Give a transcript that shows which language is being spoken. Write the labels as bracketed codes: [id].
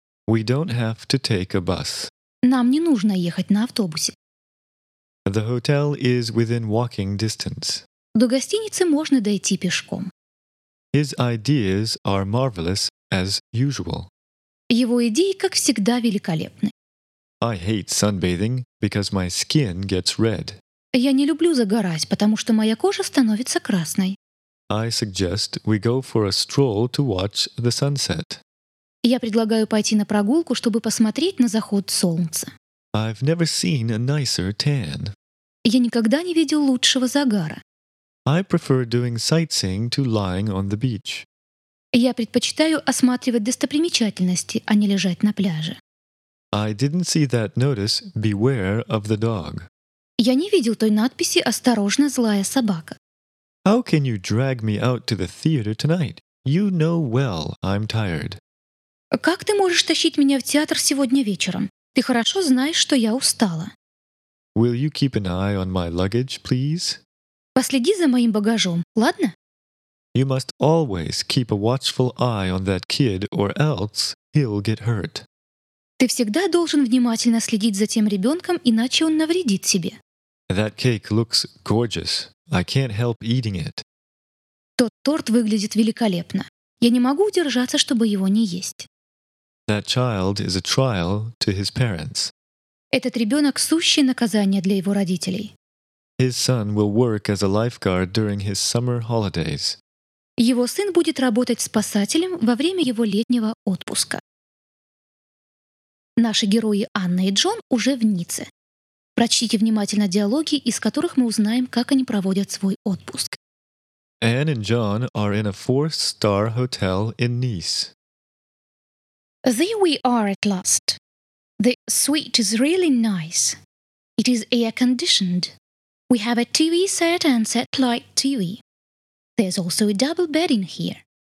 [en] We don't have to take a bus. [ru] Нам не нужно ехать на автобусе. [en] The hotel is within walking distance. [ru] До гостиницы можно дойти пешком. [en] His ideas are marvelous as usual. [ru] Его идеи, как всегда, великолепны. [en] I hate sunbathing because my skin gets red. [ru] Я не люблю загорать, потому что моя кожа становится красной. [en] I suggest we go for a stroll to watch the sunset. [ru] Я предлагаю пойти на прогулку, чтобы посмотреть на заход солнца. [en] I've never seen a nicer tan. [ru] Я никогда не видел лучшего загара. [en] I prefer doing sightseeing to lying on the beach. [ru] Я предпочитаю осматривать достопримечательности, а не лежать на пляже. [en] I didn't see that notice, beware of the dog. [ru] Я не видел той надписи «Осторожно, злая собака». [en] How can you drag me out to the theater tonight? You know well I'm tired. [ru] Как ты можешь тащить меня в театр сегодня вечером? Ты хорошо знаешь, что я устала. [en] Will you keep an eye on my luggage, please? [ru] Последи за моим багажом, ладно? [en] You must always keep a watchful eye on that kid, or else he'll get hurt. [ru] Ты всегда должен внимательно следить за тем ребенком, иначе он навредит себе. [en] That cake looks gorgeous. I can't help eating it. [ru] Тот торт выглядит великолепно. Я не могу удержаться, чтобы его не есть. [en] That child is a trial to his parents. [ru] Этот ребенок — сущее наказание для его родителей. [en] His son will work as a lifeguard during his summer holidays. [ru] Его сын будет работать спасателем во время его летнего отпуска. Наши герои Анна и Джон уже в Ницце. Прочтите внимательно диалоги, из которых мы узнаем, как они проводят свой отпуск. [en] Anne and John are in a 4-star hotel in Nice. There we are at last. The suite is really nice. It is air-conditioned. We have a TV set and satellite TV. There's also a double bed in here.